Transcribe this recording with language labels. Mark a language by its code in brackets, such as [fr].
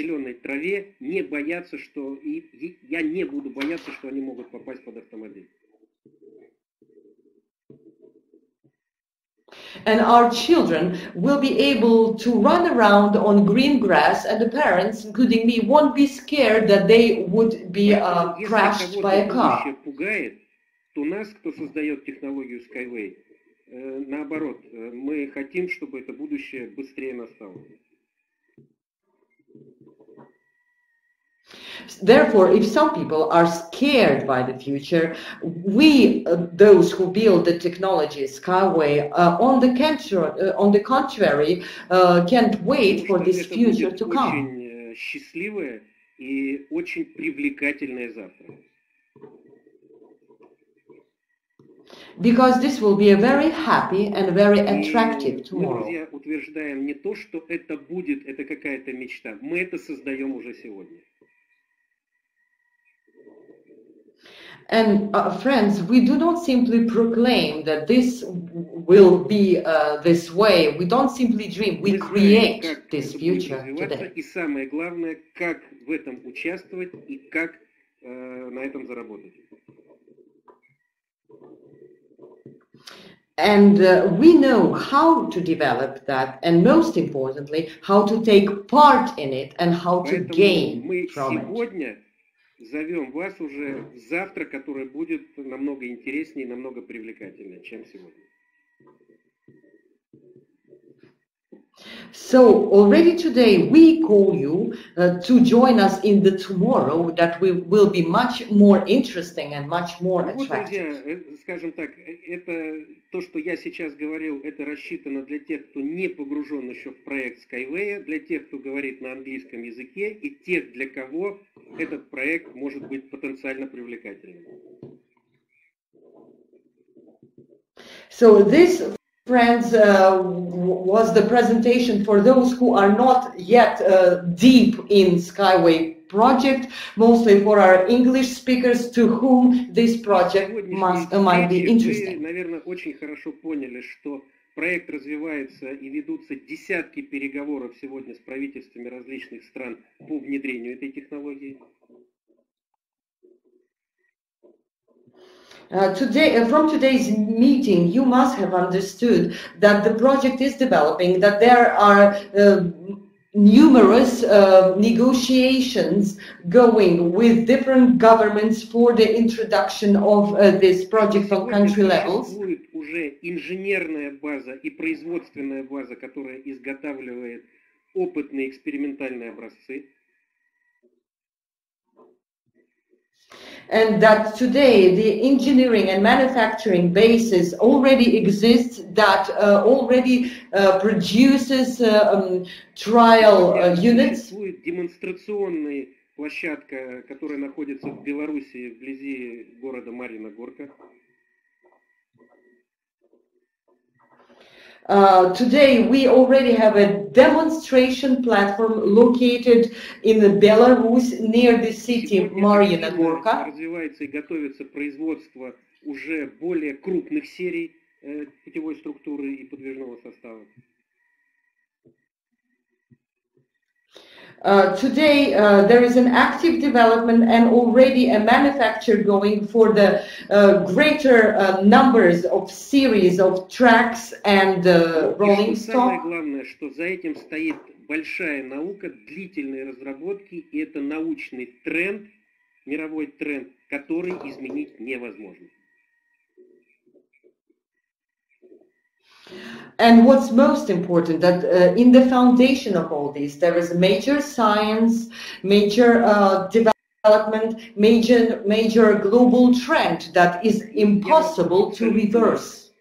[ru] Зеленой траве, не бояться, что я не буду бояться, что они могут попасть под автомобиль. [en] And our children will be able to run around on green grass, and the parents, including me, won't be scared that they would be crashed by a car. [ru] Если кого-то пугает, то нас, кто создает технологию Skyway, наоборот, мы хотим, чтобы это будущее быстрее настало. [en] Therefore, if some people are scared by the future, we, those who build the technology Skyway, on the contrary, can't wait for this future to come. [ru] Очень счастливое и очень привлекательное завтра. [en] Because this will be a very happy and very attractive tomorrow. [ru] Мы утверждаем не то, что это будет, это какая-то мечта. Мы это создаем уже сегодня. [en] And friends, we do not simply proclaim that this will be this way. We don't simply dream. We create this future today. [ru] И самое главное, как в этом участвовать и как на этом заработать. [en] And we know how to develop that, and most importantly, how to take part in it and how to gain from it. [ru] Зовем вас уже завтра, которое будет намного интереснее, намного привлекательнее, чем сегодня. [en] So already today we call you to join us in the tomorrow that will be much more interesting and much more attractive. [ru] Вот, друзья, скажем так, это то, что я сейчас говорил, это рассчитано для тех, кто не погружен еще в проект Skyway, для тех, кто говорит на английском языке, и тех, для кого этот проект может быть потенциально привлекательным. [en] So this, friends, was the presentation for those who are not yet deep in Skyway project, mostly for our English speakers, to whom this project might be interesting. [ru] Вы, наверное, очень хорошо поняли, что проект развивается и ведутся десятки переговоров сегодня с правительствами различных стран по внедрению этой технологии. [en] Today, from today's meeting, you must have understood that the project is developing, that there are numerous negotiations going with different governments for the introduction of this project on country levels. [ru] Будет уже инженерная база и производственная база, которая изготавливает опытные экспериментальные образцы. [en] And that today the engineering and manufacturing bases already exist, that already produces trial units. [ru] Будет демонстрационная площадка, которая находится в Белоруссии вблизи города Марьиногорка. [en] Today we already have a demonstration platform located in Belarus near the city Marienburgka. [ru] Развивается и готовится производство уже более крупных серий путевой структуры и подвижного состава. [en] Today there is an active development and already a manufacture going for the greater numbers of series of tracks and rolling stock. [ru] Самое главное, что за этим стоит большая наука, длительные разработки, и это научный тренд, мировой тренд, который изменить невозможно. [en] And what's most important, that in the foundation of all this, there is major science, major development, major global trend that is impossible to reverse.